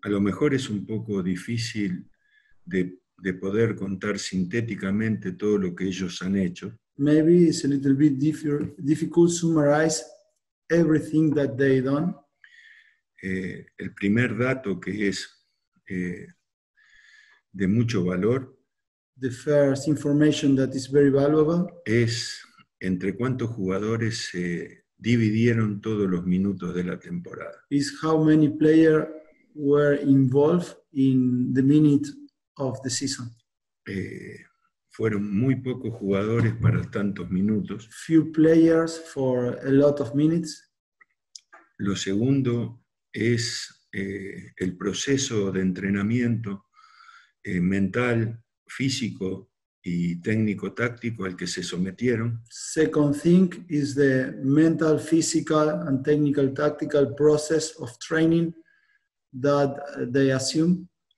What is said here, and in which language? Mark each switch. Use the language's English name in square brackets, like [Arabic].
[Spanish] A lo mejor es un poco difícil de poder contar sintéticamente todo lo que ellos han hecho. [English] Maybe it's a little bit difficult to summarize everything that they done. [Spanish] El primer dato que es de mucho valor. [English] The first information that is very valuable. [Spanish] Es entre cuántos jugadores se dividieron todos los minutos de la temporada. [English] Is how many players were involved in the minutes of the season. [Spanish] Fueron muy pocos jugadores para tantos minutos. [English] Few players for a lot of minutes. [Spanish] Lo segundo es el proceso de entrenamiento mental, físico y técnico-táctico al que se sometieron. [English] Second thing is the mental, physical and technical-tactical process of training that they assume.